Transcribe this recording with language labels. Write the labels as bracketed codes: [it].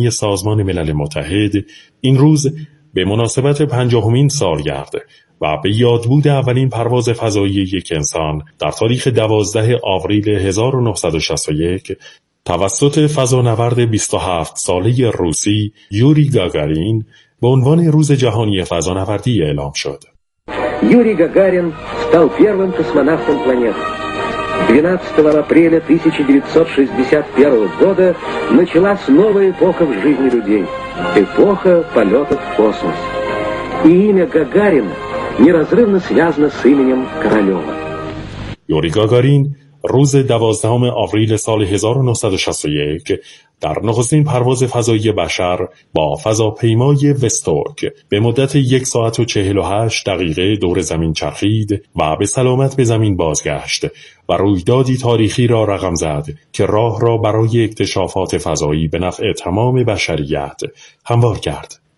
[fa] سازمان ملل متحد این روز به مناسبت 50 سالگرد و به یادبود اولین پرواز فضایی یک انسان در تاریخ 12 آوریل 1961 توسط فضانورد 27 ساله روسی یوری گاگارین به عنوان روز جهانی فضانوردی اعلام شد. [ru] یوری گاگارین стал первым космонавтом планеты. 12 апреля 1961 года началась новая эпоха в жизни людей. Эпоха полетов в космос. И имя Гагарина неразрывно связано с именем Королева. [fa] Юрий Гагарин, روز 12 آوریل سال 1961 در نخستین پرواز فضایی بشر با فضاپیمای وستوک به مدت 1 ساعت و 48 دقیقه دور زمین چرخید و به سلامت به زمین بازگشت و رویدادی تاریخی را رقم زد که راه را برای اکتشافات فضایی به نفع تمام بشریت هموار کرد.